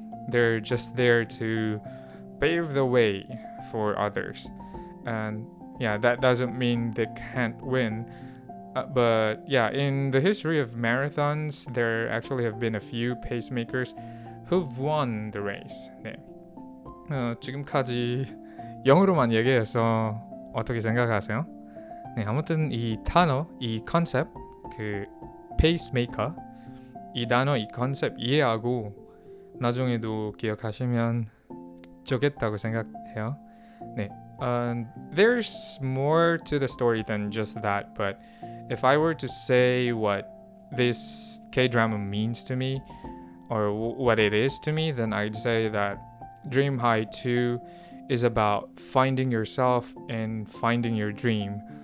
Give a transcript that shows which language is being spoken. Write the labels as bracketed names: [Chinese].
[English] They're just there to pave the way for others. And yeah, that doesn't mean they can't win. But yeah, in the history of marathons, there actually have been a few pacemakers who've won the race. [Korean] 네. 지금까지 영어로만 얘기해서 어떻게 생각하세요? 네, 아무튼 이 단어, 이 컨셉, 그 페이스메이커, 이 단어, 이 컨셉 이해하고 나중에도 기억하시면 좋겠다고 생각해요. [English] 네, there's more to the story than just that, but if I were to say what this K-drama means to me, or what it is to me, then I'd say that Dream High 2 is about finding yourself and finding your dream.